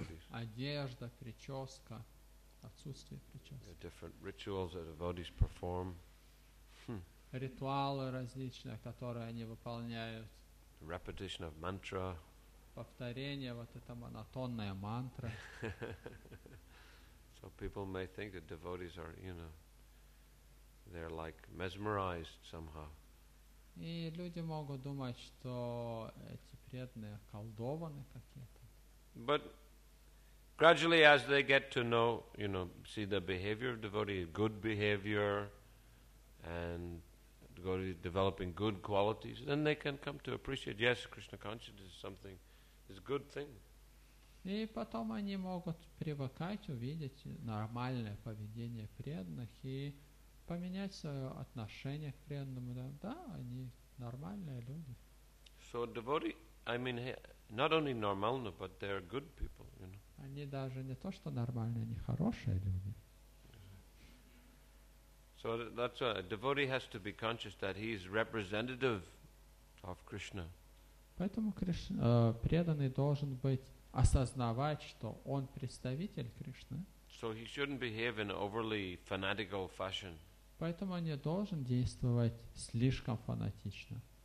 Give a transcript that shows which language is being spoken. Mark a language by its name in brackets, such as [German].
[Russian] Одежда, прическа, отсутствие прически. [English] The different rituals that devotees perform. [Russian] Ритуалы различные, которые они выполняют. [English] The repetition of mantra. [Russian] Повторение вот эта монотонная мантра. [English] So people may think that devotees are, you know, they're like mesmerized somehow. [Russian] И люди могут думать, что эти преданные околдованы какие-то. [English] But gradually, as they get to know, you know, see the behavior of devotees, good behavior, and devotees developing good qualities, then they can come to appreciate, yes, Krishna consciousness is something. It's a good thing. [Russian] И потом они могут привыкать увидеть нормальное поведение преданных и поменять свое отношение к преданным. Да, они нормальные люди. [English] So devotee, I mean, not only normal, but they're good people, you know. [Russian] Они даже не то, что нормальные, они хорошие люди. [English] So that's why a devotee has to be conscious that he is representative of Krishna. [Russian] Поэтому преданный должен быть осознавать, что он представитель Кришны. [English] So he shouldn't behave in overly fanatical fashion. [Russian] Поэтому он не должен действовать слишком фанатично.